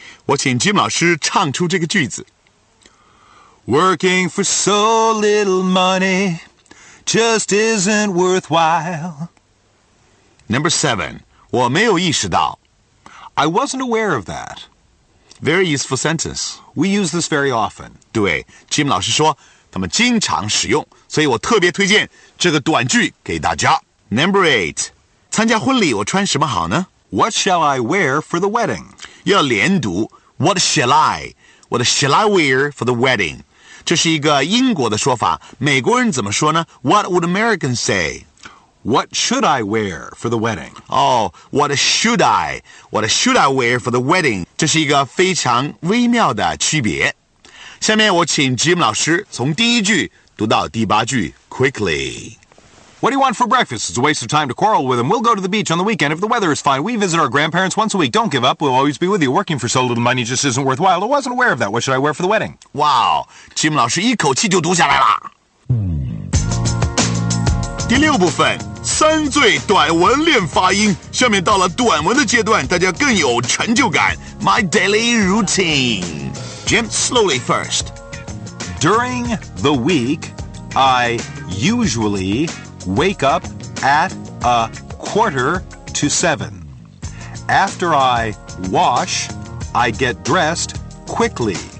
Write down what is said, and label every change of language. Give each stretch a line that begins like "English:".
Chinese: 我请金老师唱出这个句子。
English: Working for so little money just isn't worthwhile. Number seven,
Chinese: 我没有意识到。
English: I wasn't aware of that. Very useful sentence. We use this very often.
Chinese: 对 ,Jim 老师说他们经常使用，所以我特别推荐这个短句给大家。
English: Number eight,
Chinese: 参加婚礼我穿什么好呢
English: ?What shall I wear for the wedding?
Chinese: 要连读
English: ,What shall I? What shall I wear for the wedding?
Chinese: 这是一个英国的说法，美国人怎么说呢 ？
English: What would Americans say? What should I wear for the wedding? Oh, what should I? What should I wear for the wedding?
Chinese: 这是一个非常微妙的区别。下面我请 Jim 老师从第一句读到第八句 ，quickly。
English: What do you want for breakfast? It's a waste of time to quarrel with him. We'll go to the beach on the weekend if the weather is fine. We visit our grandparents once a week. Don't give up. We'll always be with you. Working for so little money just isn't worthwhile. I wasn't aware of that. What should I wear for the wedding? Wow.
Chinese: Jim 老师一口气就读下来了。第六部分，三最短文练发音。下面到了短文的阶段，大家更有成就感。
English: My daily routine. Jim, slowly first. During the week, I usually... Wake up at 7:15. After I wash, I get dressed quickly.